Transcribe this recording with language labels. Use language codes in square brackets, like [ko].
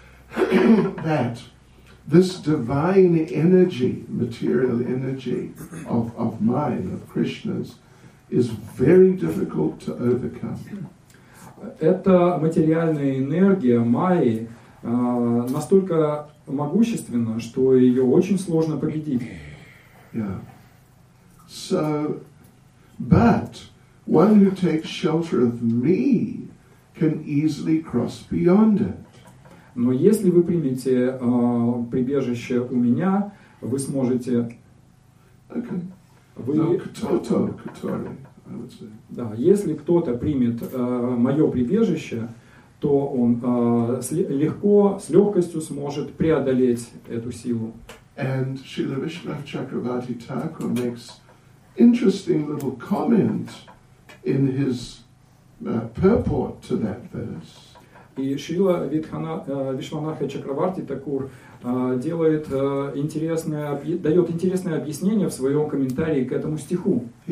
[en] That this divine energy, material energy of mine, of Krishna's, is very difficult to overcome. [ru] Эта материальная энергия Майи настолько могущественна, что ее очень сложно победить. [en] Yeah. So, but one who takes shelter of me can easily cross beyond it. [ru] Но если вы примете прибежище у меня, вы сможете. [en] Okay. [ru] Да, если кто-то примет мое прибежище, то он с легкостью сможет преодолеть эту силу. [en] And Srila Vishnu Chakravarti Thakur makes interesting little comment in his purport to that verse. [ru] И Шрила Вишванатха Чакраварти Такур делает дает интересное объяснение в своем комментарии к этому стиху.